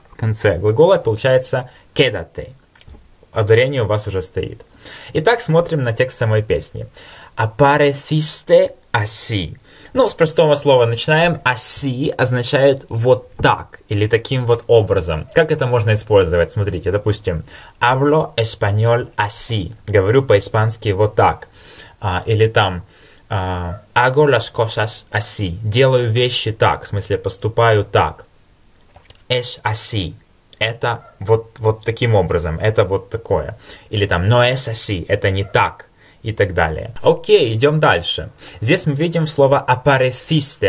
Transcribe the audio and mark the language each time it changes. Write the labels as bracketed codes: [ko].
[ru] В конце глагола получается quédate. Ударение у вас уже стоит. Итак, смотрим на текст самой песни. [es] Apareciste así. [ru] Ну, с простого слова начинаем. Así означает вот так или таким вот образом. Как это можно использовать? Смотрите, допустим, [es] hablo español así. [ru] Говорю по-испански вот так. Или там, [es] hago las cosas así. [ru] Делаю вещи так, в смысле поступаю так. [es] Es así. [ru] Это вот таким образом, это вот такое. Или там, [es] no es así, [ru] это не так, и так далее. Окей, идем дальше. Здесь мы видим слово apareciste.